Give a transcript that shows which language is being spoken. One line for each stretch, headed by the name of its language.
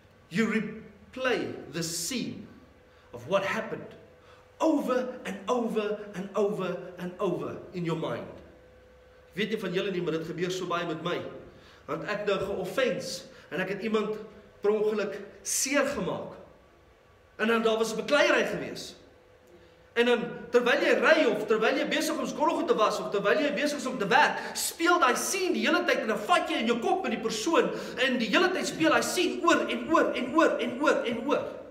English: You replay the scene of what happened over and over and over and over in your mind.
Afrikaans: Weet nie van julle nie, maar dit gebeur so baie met my. Want ek nou geoffens en ek het iemand per ongeluk seer gemaak. En dan daar was 'n bekleierry gewees. En dan terwyl jy ry of terwyl jy besig om skolgoed te was of terwyl jy besig is om te werk, speel daai scene die hele tyd en dan vat jy in jou kop met die persoon en die hele tyd speel daai scene oor en oor en oor en oor en oor.